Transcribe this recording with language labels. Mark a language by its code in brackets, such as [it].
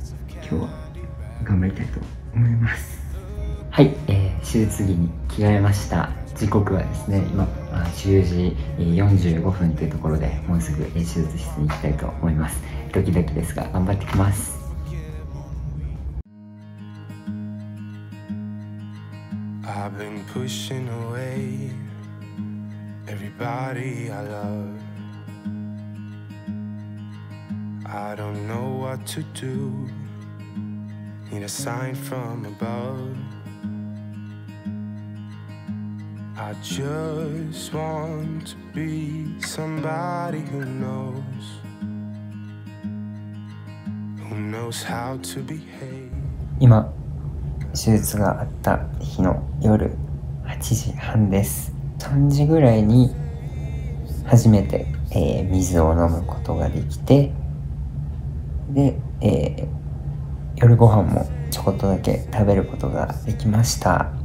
[ja] 今日は頑張りたいと思います。はい、手術着に着替えました。時刻はですね、今10時45分というところで、もうすぐ手術室に行きたいと思います。ドキドキですが頑張ってきます。 [en] I've been pushing away everybody I love. I don't know what to do. Need a sign from above. I just want to be somebody who knows. Who knows how to behave. [ja] 今手術があった日の夜8時半です。 3時ぐらいに初めて、水を飲むことができて、で、夜ご飯もちょこっとだけ食べることができました。